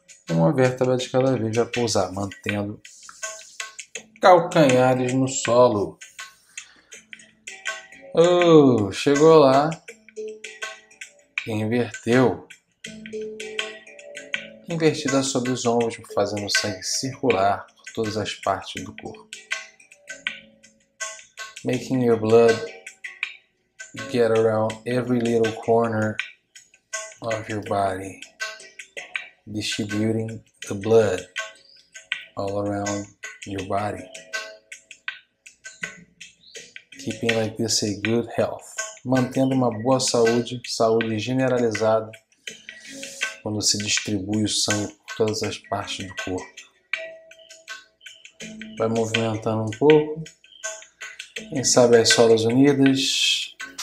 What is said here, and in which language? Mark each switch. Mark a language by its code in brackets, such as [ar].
[pt] Uma vértebra de cada vez, vai pousar, mantendo calcanhares no solo. Chegou lá. Inverteu. invertida sobre os ombros, fazendo o sangue circular por todas as partes do corpo. [en] Making your blood get around every little corner of your body. Distributing the blood all around your body. Keeping like this a good health. [pt] Mantendo uma boa saúde, saúde generalizada, quando se distribui o sangue por todas as partes do corpo. Vai movimentando um pouco. Quem sabe as solas unidas.